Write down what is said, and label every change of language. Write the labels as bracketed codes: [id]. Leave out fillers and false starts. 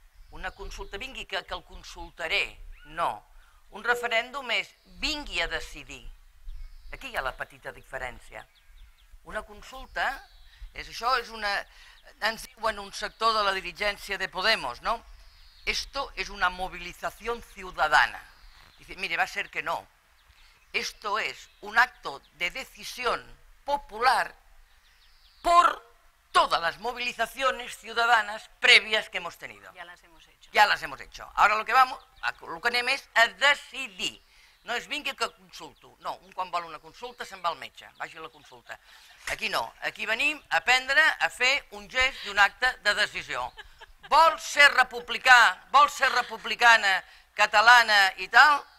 [ca] Una consulta, vingui que el consultaré, no. Un referèndum és vingui a decidir. Aquí hi ha la petita diferència. Una consulta és això, és una... Ens diuen un sector de la dirigència de Podemos, no? [es] Esto es una movilización ciudadana. Dice, mire, va a ser que no. Esto es un acto de decisión popular por... todas las movilizaciones ciudadanas previas que hemos tenido. Ya las hemos hecho. Ya las hemos hecho. Ahora lo que [ca] anem és a decidir. No és vingui que consulto. No, un quan vol una consulta se'n va al metge. Vagi a la consulta. Aquí no. Aquí venim a aprendre a fer un gest i un acte de decisió. Vol ser republicà, vol ser republicana, catalana i tal?